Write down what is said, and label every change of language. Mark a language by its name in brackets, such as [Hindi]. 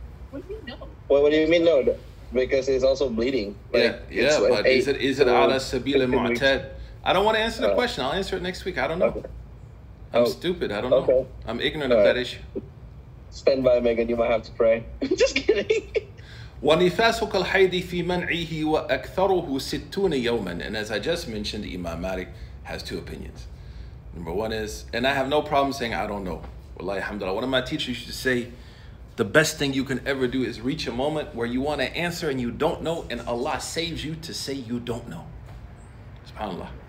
[English] What do you mean no? Because it's also bleeding. [Arabic] Ala sabil al mu'tad? [English] I don't want to answer the question. I'll answer it next week. I don't know. Okay. I'm stupid. I don't know. Okay. I'm ignorant of that issue. Stand by, Megan. You might have to pray. Just kidding. [Arabic] ونفاسك الحيض في منعه وأكثره 60 يوما. [English] And as I just mentioned, Imam Malik has two opinions. Number one is, and I have no problem saying I don't know. Wallahi alhamdulillah. One of my teachers used to say, the best thing you can ever do is reach a moment where you want to answer and you don't know, and Allah saves you to say you don't know. SubhanAllah.